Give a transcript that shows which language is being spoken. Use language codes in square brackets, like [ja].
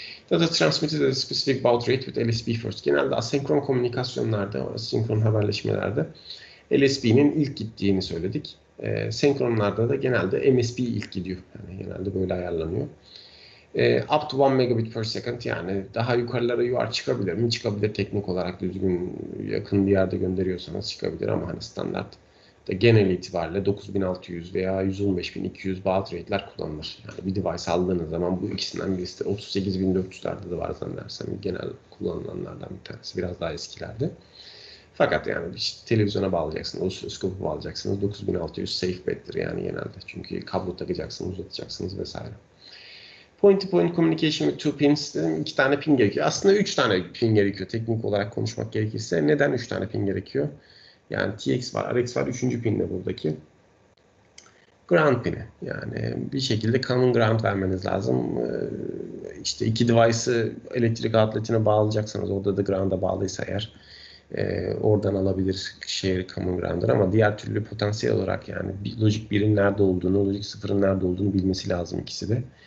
[en] Data transmitted at a specific baud rate with LSP first. [tr] Genelde asenkron komünikasyonlarda, asinkron haberleşmelerde LSP'nin ilk gittiğini söyledik. Senkronlarda da genelde MSP ilk gidiyor. Yani genelde böyle ayarlanıyor. [en] Up to 1 megabit per second [tr] yani daha yukarılara UART çıkabilir mi? Çıkabilir teknik olarak düzgün yakın bir yerde gönderiyorsanız çıkabilir ama hani standart da genel itibariyle 9600 veya 115200 baud rate'ler kullanılır. Yani bir device aldığınız zaman bu ikisinden birisi de 38400'lerde de var zannedersem genel kullanılanlardan bir tanesi biraz daha eskilerde. Fakat yani işte televizyona bağlayacaksınız, oscilloskopu bağlayacaksınız. 9600 [en] safe bet'tir [tr] yani genelde. Çünkü kablo takacaksınız, uzatacaksınız vesaire. [en] Point to point communication with two pins [tr] dedim. İki tane pin gerekiyor. Aslında üç tane pin gerekiyor teknik olarak konuşmak gerekirse. Neden üç tane pin gerekiyor? Yani TX var, RX var. Üçüncü pin de buradaki. Ground pini. Yani bir şekilde common ground vermeniz lazım. İşte iki device'ı elektrik outlet'ine bağlayacaksanız, orada da ground'a bağlıysa eğer oradan alabilir şehir common ground'dır ama diğer türlü potansiyel olarak yani bir logic 1'in nerede olduğunu, logic 0'ın nerede olduğunu bilmesi lazım ikisi de.